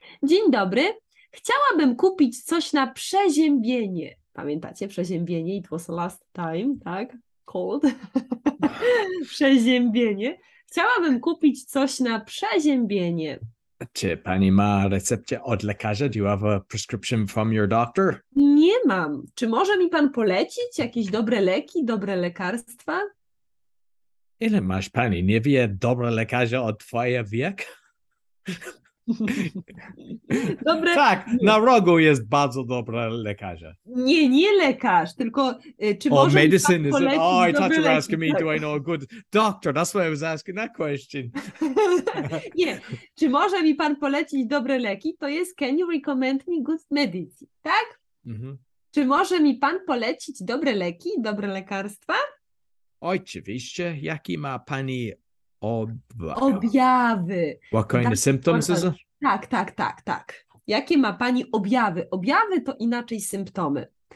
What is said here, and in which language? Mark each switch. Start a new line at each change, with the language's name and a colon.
Polish: Dzień dobry. Chciałabym kupić coś na przeziębienie. Pamiętacie przeziębienie?
English: It was last time,
Polish: tak?
English: Cold. Przeziębienie.
Polish: Chciałabym kupić coś na przeziębienie. Czy pani ma receptę od lekarza?
English: Do you have a prescription from your doctor?
Polish: Nie mam. Czy może mi pan polecić jakieś dobre leki, dobre lekarstwa? Ile masz pani? Nie wie dobre lekarza od twoje wiek? Dobre... Tak, na rogu jest bardzo dobra lekarza. Nie, nie lekarz, tylko czy oh, może
English: medicine
Polish: mi pan polecić dobre leki?
English: Oh, I thought you were asking me, do I know a good doctor? That's why I was asking that question.
Polish: Nie, czy może mi pan polecić dobre leki? To jest,
English: can you recommend me good medicine?
Polish: Tak? Mm-hmm. Czy może mi pan polecić dobre leki, dobre lekarstwa? Oczywiście, jaki ma pani... Objawy.
English: What kind of symptoms is it?
Polish: Tak, tak, tak, tak. Jakie ma pani objawy? Objawy to inaczej symptomy.